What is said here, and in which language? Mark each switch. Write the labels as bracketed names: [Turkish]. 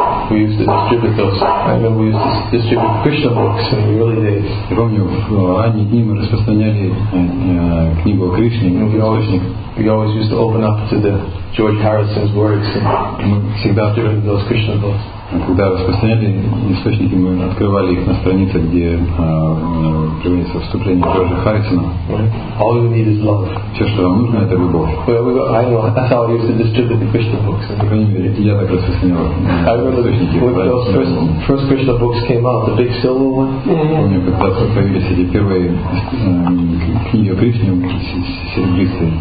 [English] We used to distribute those. I remember we used to distribute Krishna books in the early days. [Russian] Я помню, в ранние дни мы распространяли книгу о Кришне. [English] We always used to open up to the George Harrison's works and [Russian] всегда [English] distributing those Krishna books. [Russian] Когда распространяли источники, мы открывали их на странице, где приводится вступление Джорджа Харрисона. [English] All you need is love. [Russian] Все, что вам нужно, это любовь. [English] That's how I used to distribute the Krishna books. [Russian] По крайней мере, я так распространял. [English] I remember when those first Krishna books came out, the big silver one. [Russian] Помню, когда появились эти первые книги о Кришне, серебристые.